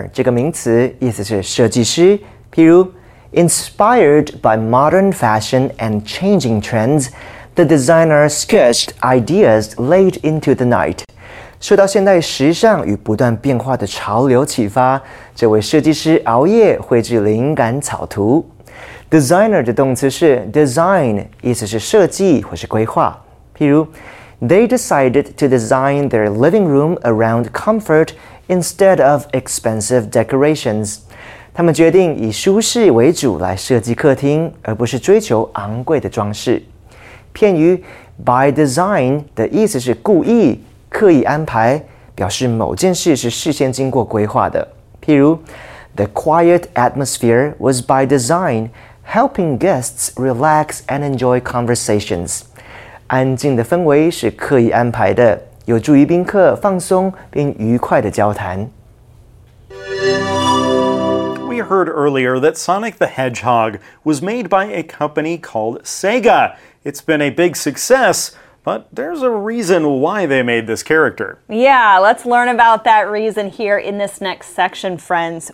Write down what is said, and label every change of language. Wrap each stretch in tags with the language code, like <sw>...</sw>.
<en>Designer</en> <zh>这个名词意思是设计师，譬如</zh> <en>inspired by modern fashion and changing trends, the designer sketched ideas late into the night.</en> <zh>受到现代时尚与不断变化的潮流启发，这位设计师熬夜绘制灵感草图。 Designer 的动词是 design， 意思是设计或是规划。譬如</zh> <en>，They decided to design their living room around comfort instead of expensive decorations。</en> <zh>他们决定以舒适为主来设计客厅，而不是追求昂贵的装饰。片语 by design 的意思是故意。刻意安排表示某件事是事先经过规划的。譬如</zh> <en>,The quiet atmosphere was by design, helping guests relax and enjoy conversations.</en> <zh>安静的氛围是刻意安排的，有助于宾客放松并愉快的交谈。</zh> <en>We heard earlier that Sonic the Hedgehog was made by a company called Sega. It's been a big success. But there's a reason why they made this character. Yeah, let's learn about that reason here in this next section, friends.</en>